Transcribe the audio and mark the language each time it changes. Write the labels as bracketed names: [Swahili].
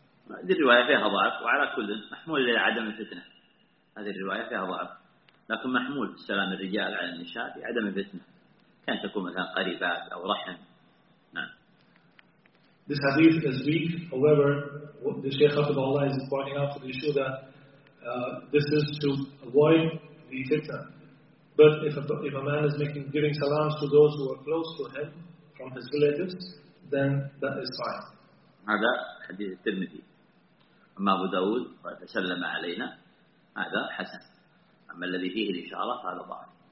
[Arabic] هذه الرواية فيها ضعف وعلى كل محمول لعدم الفتنة. هذه الرواية فيها ضعف لكن محمول سلام الرجال على النساء لعدم الفتنة، كان تكون مثلا قريبات أو رحم. نعم. [English] This hadith is weak. However, what the Shaykh Hafidhullah is pointing out to the issue that this is to avoid the fitnah. But if a man is giving salams to those who are close to him from his relatives, then that is fine. [Arabic] هذا حديث الترمذي. أما أبو داود فتسلم علينا هذا حسن. أما الذي فيه الإشارة فهذا ضعيف.